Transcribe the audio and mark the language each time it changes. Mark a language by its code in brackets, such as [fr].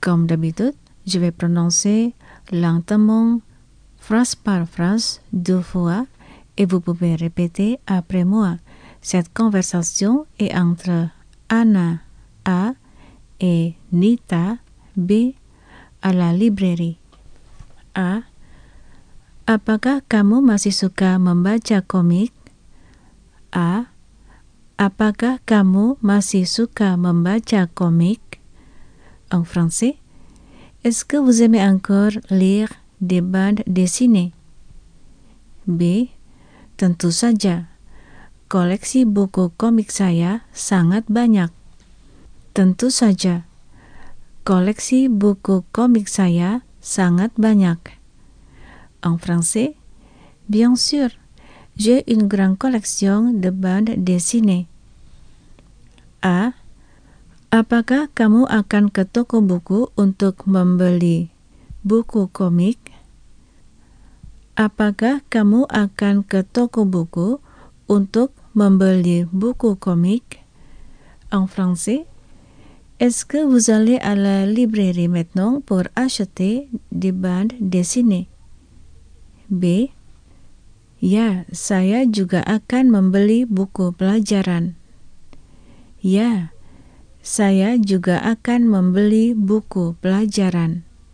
[fr] Comme d'habitude, je vais prononcer lentement, phrase par phrase, deux fois, et vous pouvez répéter après moi. Cette conversation est entre Anna A et Nita B à la librairie. A. [id] Apakah kamu masih suka membaca komik? A. Apakah kamu masih suka membaca komik? [fr] En français, est-ce que vous aimez encore lire des bandes dessinées? [id] B. Tentu saja. Koleksi buku komik saya sangat banyak. Tentu saja. Koleksi buku komik saya sangat banyak. [fr] En français, bien sûr, j'ai une grande collection de bandes dessinées. A. [id] Apakah kamu akan ke toko buku untuk membeli buku komik? Apakah kamu akan ke toko buku untuk membeli buku komik? [fr] En français, est-ce que vous allez à la librairie maintenant pour acheter des bandes dessinées? [id] B. Ya, saya juga akan membeli buku pelajaran. Ya, saya juga akan membeli buku pelajaran.